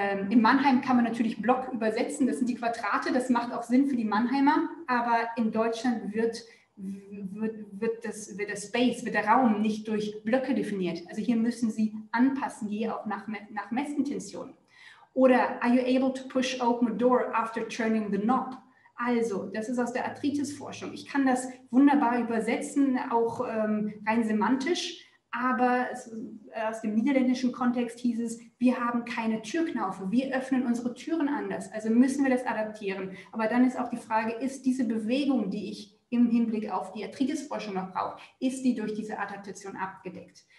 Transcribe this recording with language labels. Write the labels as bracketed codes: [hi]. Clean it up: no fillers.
[de] In Mannheim kann man natürlich Block übersetzen, das sind die Quadrate, das macht auch Sinn für die Mannheimer, aber in Deutschland wird der Raum nicht durch Blöcke definiert. Also hier müssen Sie anpassen, je auch nach Messintention. [en] Oder are you able to push open a door after turning the knob? [de] Also, das ist aus der Arthritis-Forschung. Ich kann das wunderbar übersetzen, auch rein semantisch, aber aus dem niederländischen Kontext hieß es, wir haben keine Türknaufe, wir öffnen unsere Türen anders, also müssen wir das adaptieren. Aber dann ist auch die Frage, ist diese Bewegung, die ich im Hinblick auf die Arthritis-Forschung noch braucht, ist die durch diese Adaptation abgedeckt.